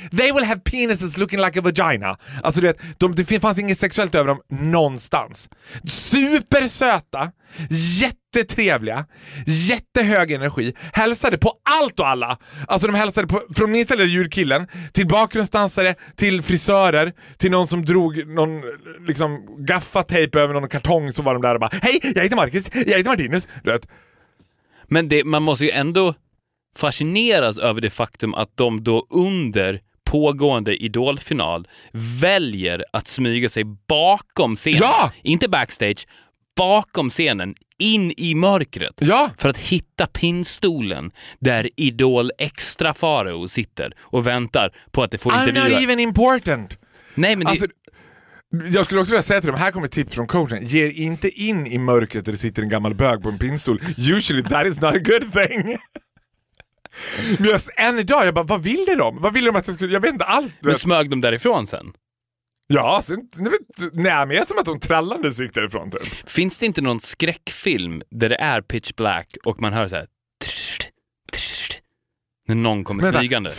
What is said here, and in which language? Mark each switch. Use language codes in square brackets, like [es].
[en] They will have penises looking like a vagina. [sv] Alltså du vet, det fanns inget sexuellt över dem någonstans. Supersöta, jättetrevliga, jättehög energi. Hälsade på allt och alla. Alltså de hälsade på, från minst eller djurkillen till bakgrundsdansare, till frisörer, till någon som drog någon liksom gaffatejp över någon kartong, så var de där och bara, hej, jag heter Marcus, jag heter Martinus, du vet. Men det, man måste ju ändå fascineras över det faktum att de då under pågående Idolfinal väljer att smyga sig bakom scenen. Ja! Inte backstage, bakom scenen, in i mörkret, ja, för att hitta pinnstolen där Idol Extra Faro sitter och väntar på att det får intervjua. [en] I'm not even important. [sv] Nej, men alltså, jag skulle också vilja säga till dem, här kommer ett tips från coachen. Ge inte in i mörkret där det sitter en gammal bög på en pinnstol. [en] Usually that is not a good thing. [sv] Men just än idag, jag bara, vad ville de? Vad ville de att jag skulle, jag vet inte alls. Men smög de därifrån sen? Ja, sen, nej, men det är som att de trallande gick därifrån typ. Finns det inte någon skräckfilm där det är pitch black och man hör så här trrr, trrr, när någon kommer smygande?